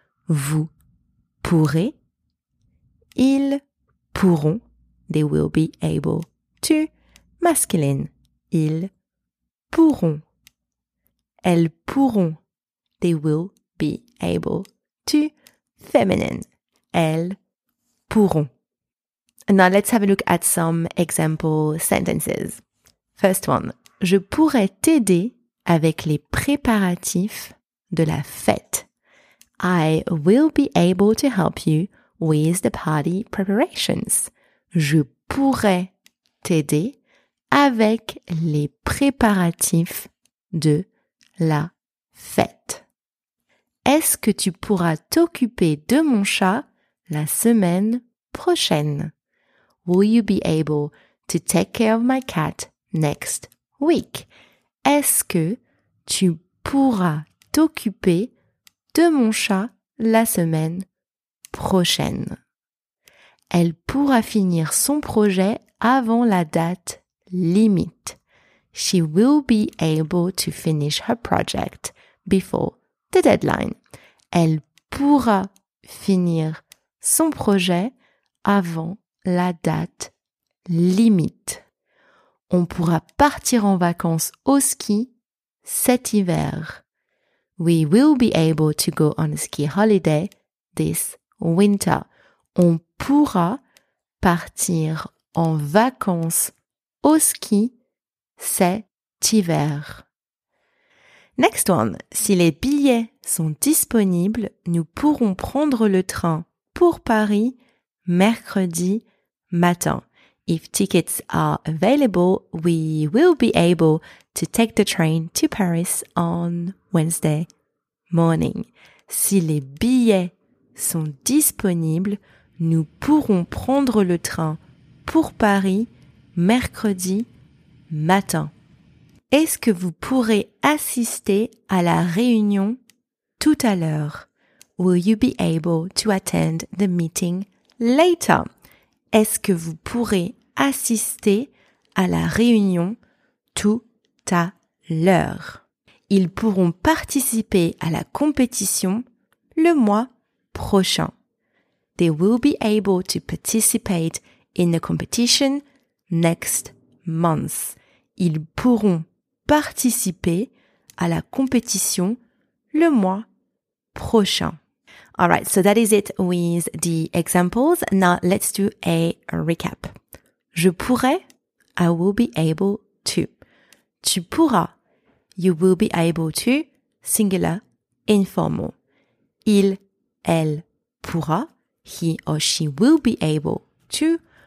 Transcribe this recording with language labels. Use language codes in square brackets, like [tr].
[fr] Vous pourrez. Ils pourront. [en] They will be able to. Masculine, [fr] ils pourront, elles pourront, [en] they will be able to, feminine, [fr] elles pourront. [en] Now let's have a look at some example sentences. First one, [fr] je pourrais t'aider avec les préparatifs de la fête. [en] I will be able to help you with the party preparations. [fr] Je pourrais t'aider avec les préparatifs de la fête. Est-ce que tu pourras t'occuper de mon chat la semaine prochaine? [en] Will you be able to take care of my cat next week? [fr] Est-ce que tu pourras t'occuper de mon chat la semaine prochaine? Elle pourra finir son projet avant la date limite. [en] She will be able to finish her project before the deadline. [fr] Elle pourra finir son projet avant la date limite. On pourra partir en vacances au ski cet hiver. [en] We will be able to go on a ski holiday this winter. [fr] On pourra partir en vacances au ski cet hiver. [en] Next one. [fr] Si les billets sont disponibles, nous pourrons prendre le train pour Paris mercredi matin. [en] If tickets are available, we will be able to take the train to Paris on Wednesday morning. [fr] Si les billets sont disponibles, nous pourrons prendre le train pour Paris mercredi matin. Est-ce que vous pourrez assister à la réunion tout à l'heure? [en] Will you be able to attend the meeting later? [fr] Est-ce que vous pourrez assister à la réunion tout à l'heure. Ils pourront participer à la compétition le mois prochain. [en] They will be able to participate in the competition next month. [fr] Ils pourront participer à la compétition le mois prochain. [en] All right, so that is it with the examples. Now let's do a recap. [fr] Je pourrais, [en] I will be able to. [fr] Tu pourras, [en] you will be able to, singular, informal. [fr] Il, elle pourra, [en] he or she will be able to.